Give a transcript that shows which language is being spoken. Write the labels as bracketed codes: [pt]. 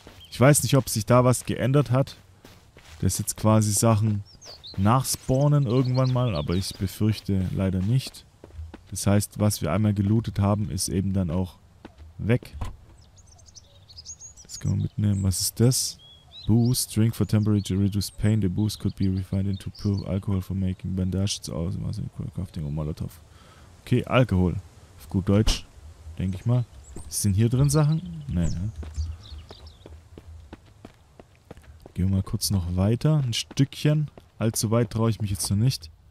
[de] Ich weiß nicht, ob sich da was geändert hat. Das ist jetzt quasi Sachen nachspawnen irgendwann mal, aber ich befürchte leider nicht. Das heißt, was wir einmal gelootet haben, ist eben dann auch weg. Das können wir mitnehmen. Was ist das? Boost. [en] Drink for temporary to reduce pain. The boost could be refined into pure alcohol for making bandages. Also crafting or Molotov. Okay, Alkohol. [de] Auf gut Deutsch, denke ich mal. Sind hier drin Sachen? Nee. Ja. Gehen wir mal kurz noch weiter. Ein Stückchen. Allzu weit traue ich mich jetzt noch nicht.